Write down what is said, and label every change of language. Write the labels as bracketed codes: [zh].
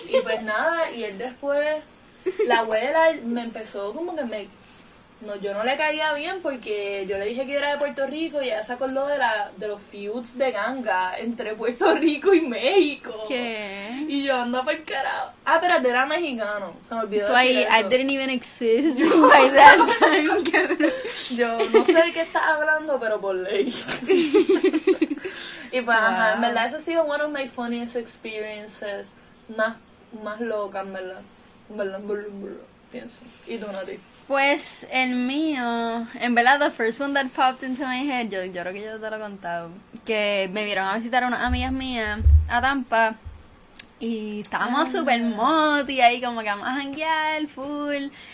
[es] Y pues nada, y él después, la abuela me empezó como que me, no, yo no le caía bien porque yo le dije que era de Puerto Rico y ella se acordó de los feuds de ganga entre Puerto Rico y México. ¿Qué? Y yo ando por carajo. Pero era mexicano. Se me olvidó decir eso. [en] I didn't even exist by that time. [es] Yo no sé de qué estás hablando, pero por ley. Y pues, ajá, en verdad, eso ha sido [en] one of my funniest experiences. [es] Más loca, en verdad. En verdad, pienso. ¿Y tú, Nati? Pues el mío, en verdad, [en] the first one that popped into my head, [es] yo creo que yo te lo he contado, que me vieron a visitar unas amigas mías a Tampa y estábamos súper moti y ahí como que vamos a janguear full.